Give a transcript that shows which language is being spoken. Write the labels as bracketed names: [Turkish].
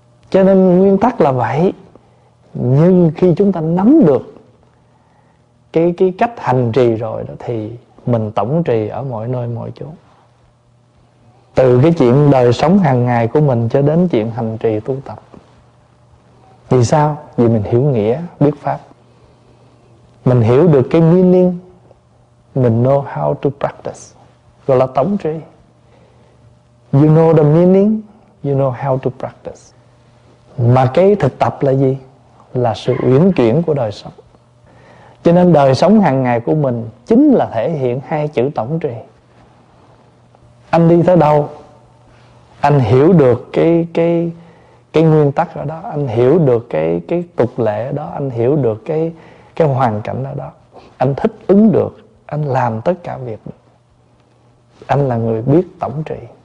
[Vietnamese] Cho nên nguyên tắc là vậy, nhưng khi chúng ta nắm được cái cách hành trì rồi đó thì mình tổng trì ở mọi nơi mọi chỗ, từ cái chuyện đời sống hàng ngày của mình cho đến chuyện hành trì tu tập. Vì sao? Vì mình hiểu nghĩa biết pháp, mình hiểu được cái meaning, mình [English] know how to practice, [Vietnamese] gọi là tổng trì. [English] You know the meaning, you know how to practice. [Vietnamese] Mà cái thực tập là gì? Là sự uyển chuyển của đời sống. Cho nên đời sống hàng ngày của mình chính là thể hiện hai chữ tổng trì. Anh đi tới đâu, anh hiểu được cái nguyên tắc ở đó, anh hiểu được cái tục lệ ở đó, anh hiểu được cái hoàn cảnh ở đó, anh thích ứng được, anh làm tất cả việc, anh là người biết tổng trì.